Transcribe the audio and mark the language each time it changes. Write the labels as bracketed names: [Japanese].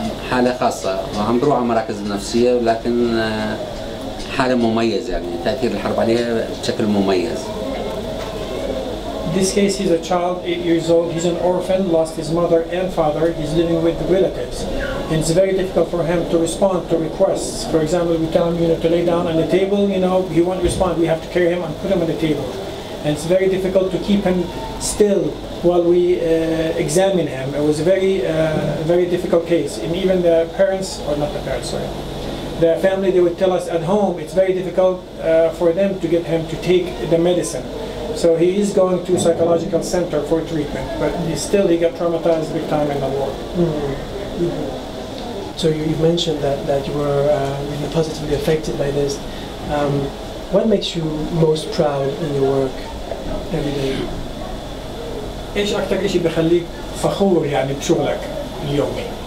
[Arabic] حاله خاصه، عم بروح على مراكز النفسيه ولكن حاله مميزه، يعني تاثير الحرب عليها بشكل مميز. [English] This case is a child, 8 years old. He's an orphan, lost his mother and father. He's living with relatives. And it's very difficult for him to respond to requests. For example, we tell him, you know, to lay down on the table, you know, he won't respond. We have to carry him and put him on the table. And it's very difficult to keep him still while we examine him. It was a very, very difficult case. And even the parents, or not the parents, sorry. The family, they would tell us at home, it's very difficult for them to get him to take the medicine. So he is going to a psychological center for treatment, but he got traumatized big time in the war. Mm-hmm. Mm-hmm. So you mentioned that you were really positively affected by this. What makes you most proud in your work every day? [Arabic] إيش أكتر إشي بخليك فخور يعني بشغلك اليومي؟